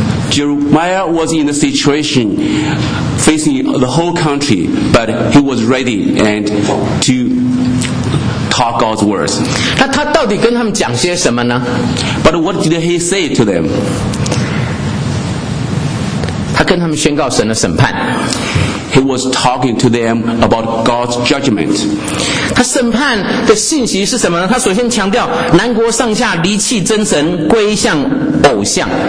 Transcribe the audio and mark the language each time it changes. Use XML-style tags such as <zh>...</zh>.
<en>Jeremiah was in a situation facing the whole country, but he was ready and to talk God's words.</en> <zh>他到底跟他们讲些什么呢？</zh> <en>But what did he say to them?</en> <zh>他跟他们宣告神的审判。</zh> <en>He was talking to them about God's judgment.</en> <zh>他审判的信息是什么呢？他首先强调南国上下离弃真神，归向偶像。</zh>